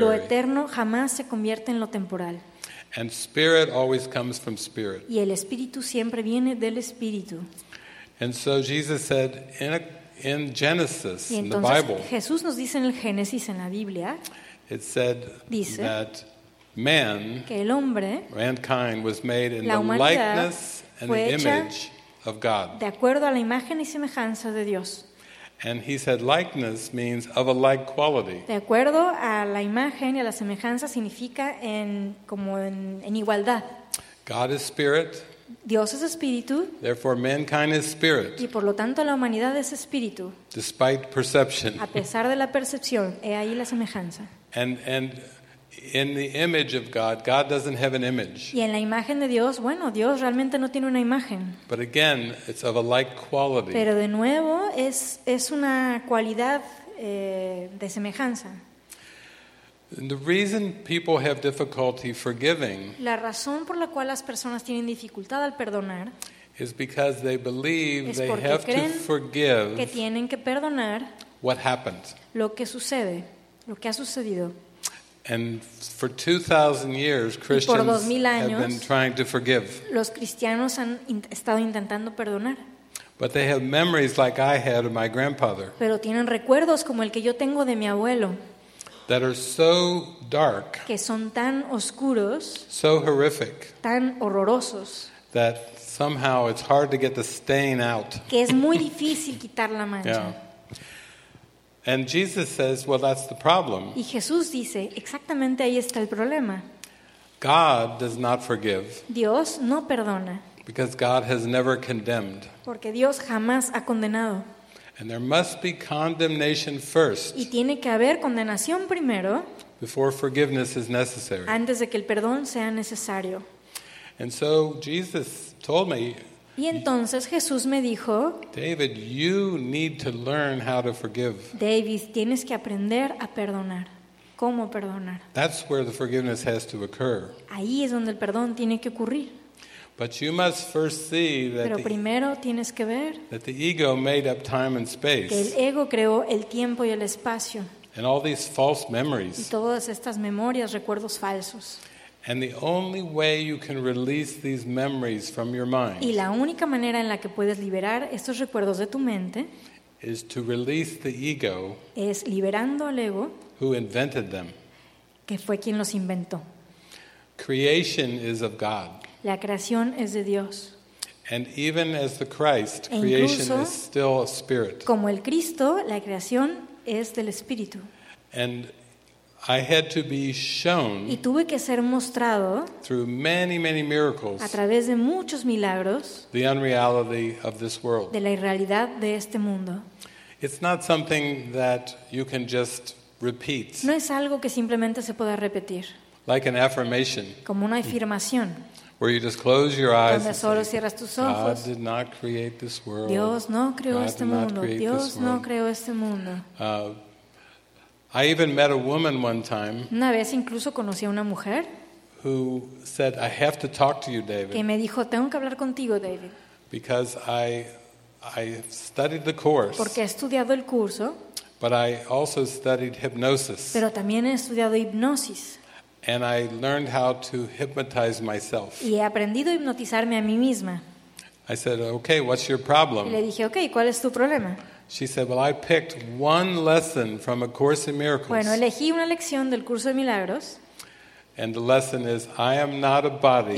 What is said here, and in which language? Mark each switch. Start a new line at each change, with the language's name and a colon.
Spanish: Lo eterno jamás se convierte en lo temporal.
English: And spirit always comes from spirit.
Spanish: Y el espíritu siempre viene del espíritu.
English: And so Jesus said in Genesis,
Spanish: y entonces,
English: in the Bible,
Spanish: Jesús nos dice en el Génesis, en la Biblia,
English: it said
Spanish: dice
English: that man,
Spanish: que el hombre,
English: mankind, was made in the likeness and the image of God.
Spanish: De acuerdo a la imagen y semejanza de Dios.
English: And he said likeness means of a like quality.
Spanish: De acuerdo a la imagen y a la semejanza significa en, como en igualdad.
English: God is spirit.
Spanish: Dios es espíritu.
English: Therefore, mankind is spirit.
Spanish: Y por lo tanto, la humanidad es espíritu.
English: Despite perception.
Spanish: A pesar de la percepción, he ahí la semejanza.
English: And in the image of God, God doesn't have an image.
Spanish: Y en la imagen de Dios, bueno, Dios realmente no tiene una imagen.
English: But again, it's of a like quality.
Spanish: Pero de nuevo, es una cualidad de semejanza.
English: The reason people have difficulty forgiving,
Spanish: la razón por la cual las personas tienen dificultad al perdonar,
English: is because they believe
Spanish: es
English: they have
Spanish: creen
English: to forgive
Spanish: que tienen que perdonar
English: what happened.
Spanish: Lo que sucede, lo que ha sucedido.
English: And for 2,000 years, Christians
Spanish: y por 2,000 años,
English: have been trying to forgive.
Spanish: Los cristianos han estado intentando perdonar.
English: But they have memories like I had of my grandfather.
Spanish: Pero tienen recuerdos como el que yo tengo de mi abuelo.
English: That are so dark,
Spanish: que son tan oscuros,
English: so horrific,
Spanish: tan horrorosos,
English: that somehow it's hard to get the stain out.
Spanish: Que es muy difícil quitar la mancha.
English: Yeah. And Jesus says, well, that's the problem.
Spanish: Y Jesús dice, exactamente ahí está el problema.
English: God does not forgive.
Spanish: Dios no perdona.
English: Because God has never condemned.
Spanish: Porque Dios jamás ha condenado.
English: And there must be condemnation first.
Spanish: Y tiene que haber condenación primero.
English: Before forgiveness is necessary.
Spanish: Antes de que el perdón sea necesario.
English: And so Jesus told me.
Spanish: Y entonces Jesús me dijo.
English: David, you need to learn how to forgive.
Spanish: David, tienes que aprender a perdonar. ¿Cómo perdonar?
English: That's where the forgiveness has to occur.
Spanish: Ahí es donde el perdón tiene que ocurrir.
English: But you must first see that
Spanish: pero primero tienes que ver
English: that the ego made up time and space.
Spanish: Que el ego creó el tiempo y el espacio.
English: And all these false memories.
Spanish: Y todas estas memorias, recuerdos falsos.
English: And the only way you can release these memories from your mind.
Spanish: Y la única manera en la que puedes liberar estos recuerdos de tu mente
English: is to release the ego.
Spanish: Es liberando al ego.
English: Who invented them?
Spanish: Que fue quien los inventó.
English: Creation is of God.
Spanish: La creación es de Dios.
English: And even as the Christ,
Spanish: e
English: creation is still a spirit.
Spanish: Como el Cristo, la creación es del Espíritu.
English: And I had to be shown
Spanish: y tuve que ser mostrado
English: through many, many miracles
Spanish: a través de muchos milagros
English: the unreality of this world.
Spanish: De la irrealidad de este mundo.
English: It's not something that you can just repeat.
Spanish: No es algo que simplemente se pueda repetir.
English: Like an affirmation.
Spanish: Como una afirmación.
English: Where you just close your eyes.
Spanish: Donde solo cierras tus ojos.
English: God did not create this world.
Spanish: Dios no creó este mundo. Dios no creó este mundo.
English: I even met a woman one time.
Spanish: Una vez incluso conocí a una mujer.
English: Who said, "I have to talk to you, David."
Spanish: Que me dijo, "Tengo que hablar contigo, David."
English: Because I studied the course.
Spanish: Porque he estudiado el curso.
English: But I also studied hypnosis.
Spanish: Pero también he estudiado hipnosis.
English: And I learned how to hypnotize myself.
Spanish: Y he aprendido a hipnotizarme a mí misma.
English: I said, "Okay, what's your problem?"
Spanish: Y le dije, "Okay, ¿cuál es tu problema?"
English: She said, "Well, I picked one lesson from a Course in Miracles."
Spanish: Bueno, elegí una lección del curso de milagros.
English: And the lesson is, "I am not a body."